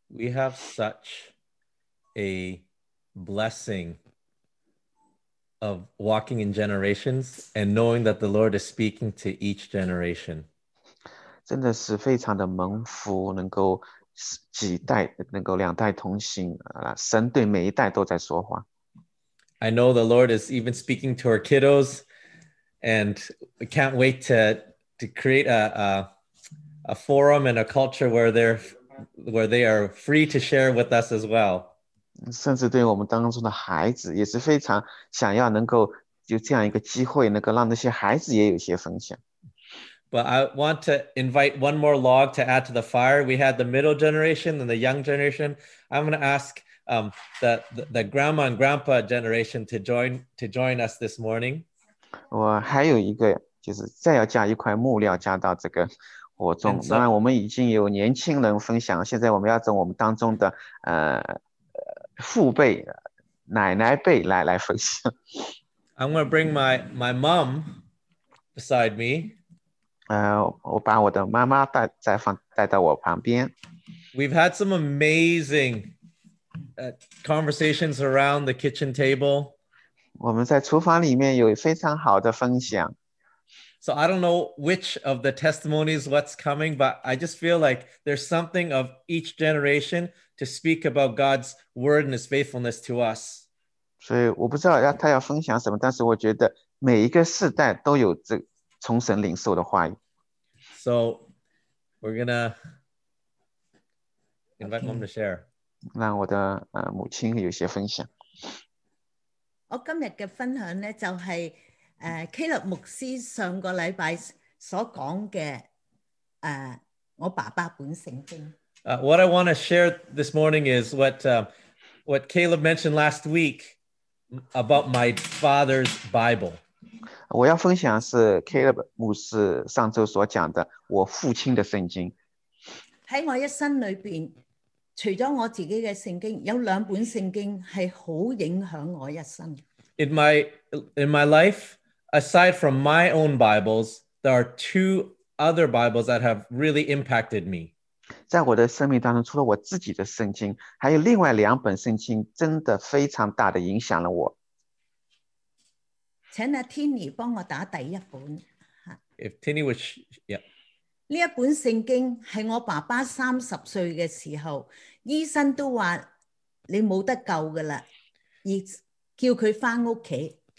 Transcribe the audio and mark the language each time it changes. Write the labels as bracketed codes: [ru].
[en] We have such a blessing of walking in generations and knowing that the Lord is speaking to each generation. [zh] 真的是非常的蒙福，能够几代，能够两代同行，神对每一代都在说话。 [en] I know the Lord is even speaking to our kiddos And we can't wait to create a forum and a culture where they are free to share with us as well. [zh] 甚至对我们当中的孩子也是非常想要能够有这样一个机会，能够让那些孩子也有些分享。 [en] But I want to invite one more log to add to the fire. We had the middle generation and the young generation. I'm going to ask the grandma and grandpa generation to join us this morning. [zh] 我还有一个就是再要加一块木料加到这个火中。当然我们已经有年轻人分享，现在我们要从我们当中的父辈奶奶辈来分享。 [en] I'm going to bring my mom beside me. [zh] 我把我的妈妈带到我旁边。 [en] We've had some amazing conversations around the kitchen table. [zh] 我们在厨房里面有非常好的分享。 [en] So I don't know which of the testimonies what's coming, but I just feel like there's something of each generation to speak about God's word and his faithfulness to us. [zh] 所以我不知道他要分享什么，但是我觉得每一个世代都有这从神领受的话语。 [en] So we're gonna invite mom to share. [zh] 让我的母亲有些分享。我今天的分享呢，就是Caleb 牧师上个礼拜所讲的我爸爸本圣经。 [en] What I want to share this morning is what Caleb mentioned last week about my father's Bible. [zh] 我要分享是 Caleb 牧师上周所讲的我父亲的圣经。在我一生里面，除了我自己的圣经，有两本圣经是很影响我一生。 [en] In my life, aside from my own Bibles, there are two other Bibles that have really impacted me. [zh] 在我的生命当中，除了我自己的圣经，还有另外两本圣经，真的非常大的影响了我。请阿 Tini 帮我打第一本。 [en] If Tini would, yeah. [zh] 这一本圣经是我爸爸三十岁的时候，医生都说你没得救的了，叫他回家。